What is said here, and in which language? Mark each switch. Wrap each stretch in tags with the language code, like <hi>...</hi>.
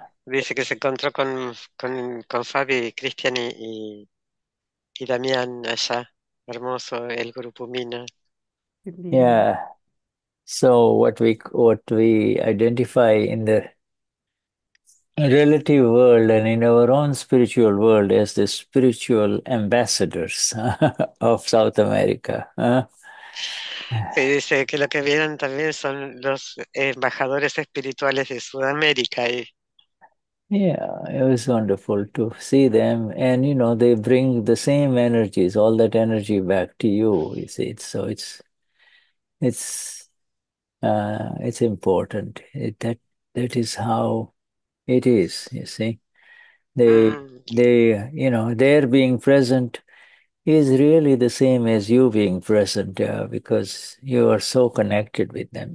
<es>dice que se encontró con Fabi, Cristian y Damián allá, hermoso el grupo Mina. Qué lindo.</es> <en>Yeah. So what we identify in the relative world and in our own spiritual world as the spiritual ambassadors of South America.</en> <es>Y dice que lo que vienen también son los embajadores espirituales de Sudamérica. Y</es> <en>Yeah, it was wonderful to see them, and you know they bring the same energies, all that energy back to you. You see, so it's important. That is how it is. You see, they you know their being present is really the same as you being present, because you are so connected with them.</en>